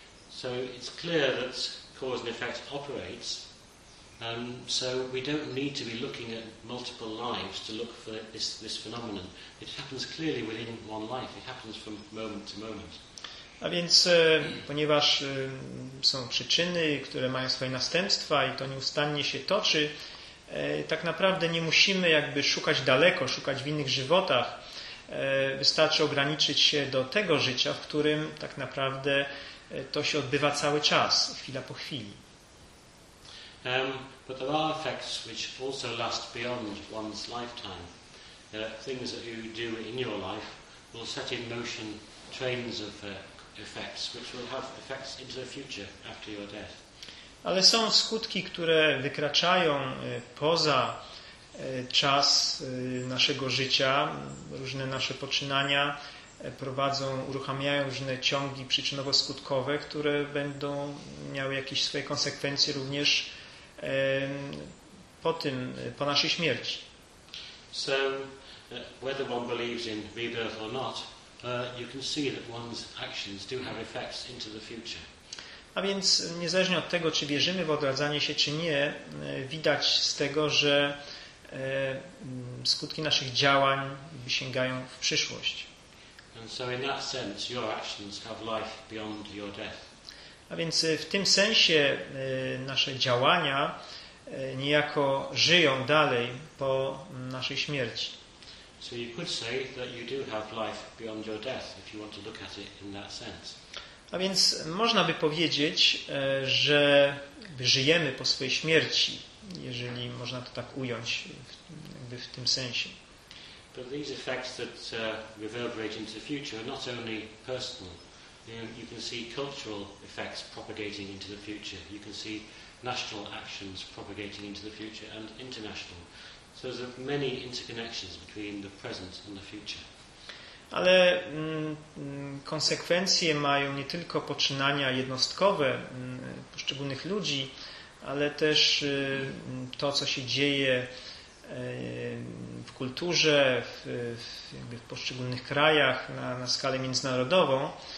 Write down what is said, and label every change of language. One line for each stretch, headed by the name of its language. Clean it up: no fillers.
English: So it's clear that cause and effect operates. So we don't need to be looking at multiple lives to look for this phenomenon. It happens clearly within one life. It happens from moment to moment.
Polish: A więc ponieważ są przyczyny, które mają swoje następstwa i to nieustannie się toczy, tak naprawdę nie musimy jakby szukać daleko, szukać w innych żywotach. Wystarczy ograniczyć się do tego życia, w którym tak naprawdę to się odbywa cały czas, chwila po chwili.
English: But there are effects which also last beyond one's lifetime. Things that you do in your life will set in motion trains of effects which will have effects into the future after your death.
Polish: Ale są skutki, które wykraczają poza czas naszego życia, różne nasze poczynania prowadzą, uruchamiają różne ciągi przyczynowo-skutkowe, które będą miały jakieś swoje konsekwencje również po tym, po naszej śmierci.
English: So, whether one believes in rebirth or not, you can see that one's actions do have effects into the future.
Polish: A więc niezależnie od tego, czy wierzymy w odradzanie się, czy nie, widać z tego, że skutki naszych działań sięgają w przyszłość.
English: And so in that sense your actions have life beyond your death.
Polish: A więc w tym sensie nasze działania niejako żyją dalej po naszej śmierci.
English: So you could say that you do have life beyond your death if you want to look at it in that sense.
Polish: A więc można by powiedzieć, że żyjemy po swojej śmierci, jeżeli można to tak ująć jakby w tym sensie.
English: But these effects that reverberate into the future are not only personal. You can see cultural effects propagating into the future. You can see national actions propagating into the future and international. So there are many interconnections between the present and the future.
Polish: Ale konsekwencje mają nie tylko poczynania jednostkowe poszczególnych ludzi, ale też to, co się dzieje w kulturze, jakby w poszczególnych krajach na skalę międzynarodową.